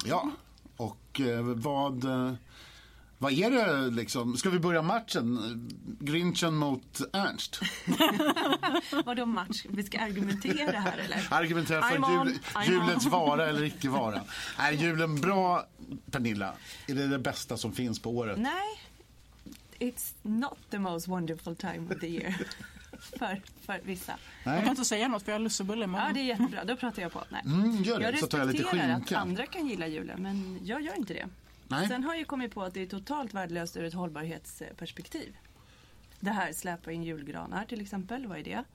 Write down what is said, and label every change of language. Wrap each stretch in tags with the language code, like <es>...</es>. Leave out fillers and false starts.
<sv>Ja. Och vad... Vad är det liksom? Ska vi börja matchen? Grinchen mot Ernst? Vadå match? Vi ska argumentera här, eller? Argumentera för julens vara eller icke vara. Är julen bra, Pernilla? Är det det bästa som finns på året?</sv> <en>Nej, it's not the most wonderful time of the year.</en> <sv>För vissa. Nej. Jag kan inte säga något, för jag har lussebulle. Ja, det är jättebra. Då pratar jag på. Nej. Gör det, jag respekterar så tar jag lite att andra kan gilla julen, men jag gör inte det. Nej. Sen har jag kommit på att det är totalt värdelöst ur ett hållbarhetsperspektiv. Det här, släpa in julgranar till exempel, vad är det?</sv>